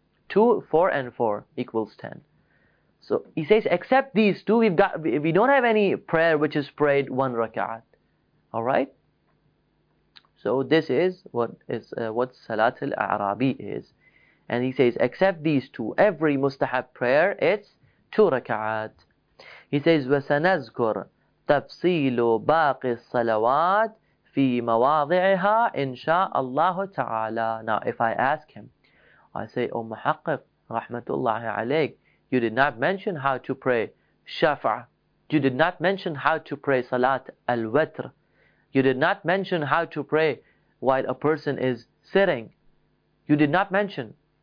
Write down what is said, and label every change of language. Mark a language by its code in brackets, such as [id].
[en] 2, 4, and 4 equals 10. So he says, except these two, we don't have any prayer which is prayed 1 raka'at. Alright? So this is what Salat al-A'rabi is. And he says, except these two, every mustahab prayer, it's two rak'at. He says, [ar] وَسَنَذْكُرْ تَفْصِيلُ بَاقِ الصَّلَوَاتِ فِي مَوَاضِعِهَا إِنْ شَاءَ اللَّهُ تَعَالَى. [en] Now, if I ask him, I say, O Muhaqqiq, rahmatullahi alayk, you did not mention how to pray Shafa'ah. You did not mention how to pray Salat al-Witr. You did not mention how to pray while a person is sitting. You did not mention.